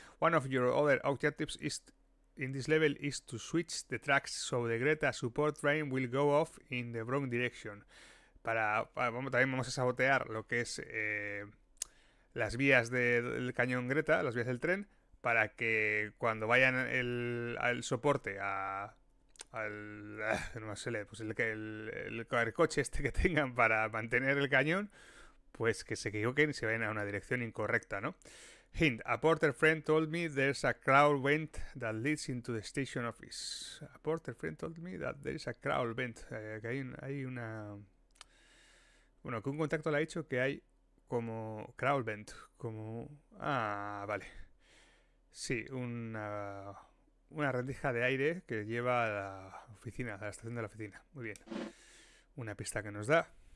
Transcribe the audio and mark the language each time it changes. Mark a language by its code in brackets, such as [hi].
[en] One of your other objectives is in this level is to switch the tracks so the Greta support train will go off in the wrong direction. [es] También vamos a sabotear lo que es las vías del cañón Greta, las vías del tren, para que cuando vayan al soporte, el coche este que tengan para mantener el cañón, pues que se equivoquen y se vayan a una dirección incorrecta, ¿no? [en] Hint, a porter friend told me there's a crawl vent that leads into the station office. A porter friend told me that there's a crawl vent. [es] Que hay una... Bueno, que un contacto le ha dicho que hay como crawl vent, como... Ah, vale. Sí, una rendija de aire que lleva a la oficina, a la estación de la oficina. Muy bien. Una pista que nos da.